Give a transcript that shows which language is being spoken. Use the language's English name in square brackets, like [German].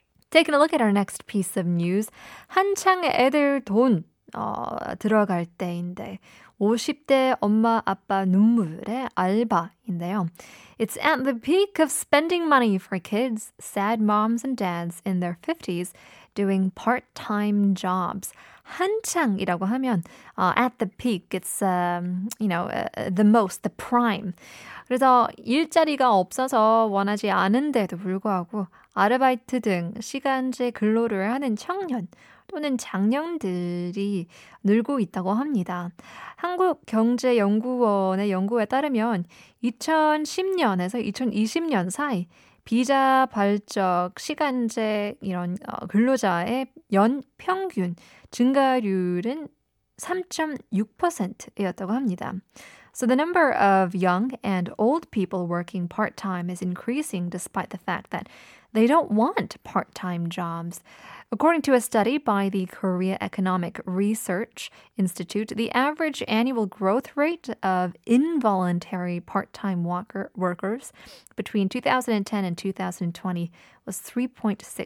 [English] Taking a look at our next piece of news. [Korean] 한창 애들 돈 들어갈 때인데 50대 엄마 아빠 눈물의 알바인데요. [English] It's at the peak of spending money for kids, sad moms and dads in their 50s doing part-time jobs. [Korean] 한창이라고 하면 [English] at the peak, it's the most, the prime. [Korean] 그래서 일자리가 없어서 원하지 않은데도 불구하고 아르바이트 등 시간제 근로를 하는 청년 또는 장년들이 늘고 있다고 합니다. 한국경제연구원의 연구에 따르면 2010년에서 2020년 사이 비자 발적 시간제 이런 근로자의 연 평균 증가율은 3.6%였다고 합니다. [English] So the number of young and old people working part-time is increasing despite the fact that they don't want part-time jobs. According to a study by the Korea Economic Research Institute, the average annual growth rate of involuntary part-time workers between 2010 and 2020 was 3.6%.